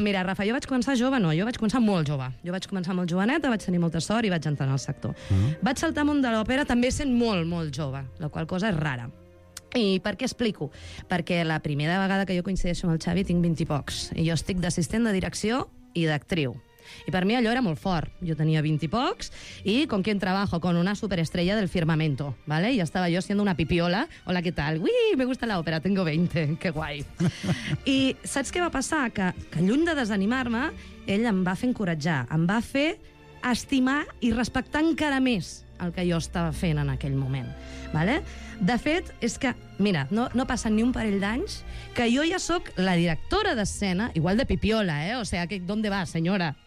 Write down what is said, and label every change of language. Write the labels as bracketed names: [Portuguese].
[Catalan] Mira, Rafa, jo vaig començar jove, no, jo vaig començar molt jove. Jo vaig començar molt joveneta, vaig tenir molta sort i vaig entrar en el sector. Vaig saltar món de l'òpera també sent molt, molt jove, la qual cosa és rara. I per què explico? Perquè la primera vegada que jo coincideixo amb el Xavi tinc 20 i pocs. I jo estic d'assistent de direcció i d'actriu. I per mi allò era molt fort. Jo tenia 20 i pocs i [Spanish] con quien trabajo, con una superestrella del firmamento, [Catalan] ¿vale? I estava jo [Spanish] siendo una pipiola. Hola, ¿qué tal? Ui, me gusta la ópera, tengo 20, qué guay. [Catalan] I saps què va passar? Que lluny de desanimar-me, ell em va fer encoratjar, em va fer estimar i respectar encara més el que jo estava fent en aquell moment, ¿vale? De fet, és que, mira, no passen ni un parell d'anys que jo ja sóc la directora d'escena, igual de pipiola, ¿eh? O sea, que, [Spanish] ¿dónde vas, [Catalan] senyora?